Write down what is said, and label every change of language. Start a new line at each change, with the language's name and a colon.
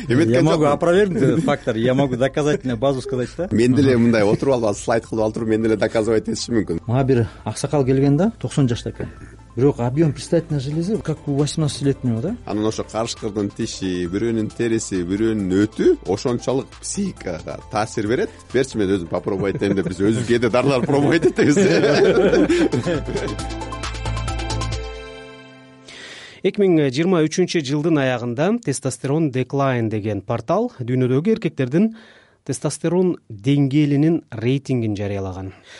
Russian: Я могу опровергнуть этот фактор, я могу доказательную базу сказать да.
Kyrgyz: Мен деле мындай отуруп алып слайд кылып алып мен деле доказывать этишим мүмкүн. Мага бир аксакал келген да 90 жашта экен. Бирок
Russian: объем предстательной железы как у 18-летнего, да?
Kyrgyz: Анын ошо карышкырдын тиши, бирөөнүн тереси, бирөөнүн өтү ошончолук психикага таасир берет. Берчи мен өзүм попробовать этем деп биз өзүбүзгө да дарылар пробовать этебиз. 2023 жылдын аягында тестостерон деклайн деген портал дүйнөдөгү эркектердин тестостерон деңгээлинин рейтингин жарыялаган.